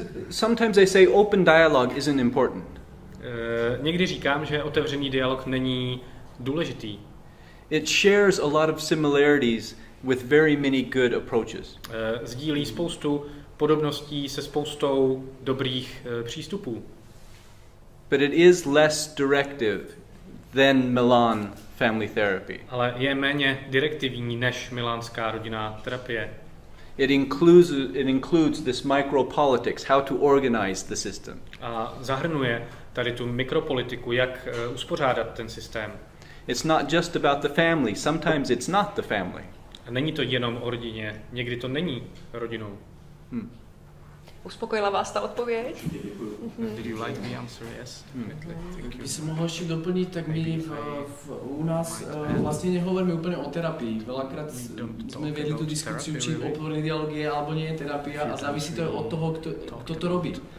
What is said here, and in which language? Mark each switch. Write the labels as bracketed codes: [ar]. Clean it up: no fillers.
[en] sometimes I say open dialogue isn't important. [cs] Někdy říkám, že otevřený dialog není důležitý. [en] It shares a lot of similarities with very many good approaches. [cs] Sdílí spoustu podobností se spoustou dobrých přístupů. [en] But it is less directive than Milan family therapy. [cs] Ale je méně direktivní než milánská rodinná terapie. [en] It includes this micropolitics, how to organize the system. [cs] A zahrnuje tady tu mikropolitiku, jak uspořádat ten systém. [en] It's not just about the family, sometimes it's not the family. [cs] A není to jenom o rodině, někdy to není rodinou. Uspokojila vás ta odpověď? [en] Did you like the answer? Yes. Mm-hmm. [cs] Když se mohla ještě doplnit, tak my u nás vlastně nehovoríme úplně o terapii. [sk] Velakrát jsme vedli tu diskuci či o otvorené dialogie, alebo nie je terapia a závisí to od toho, kdo to robí.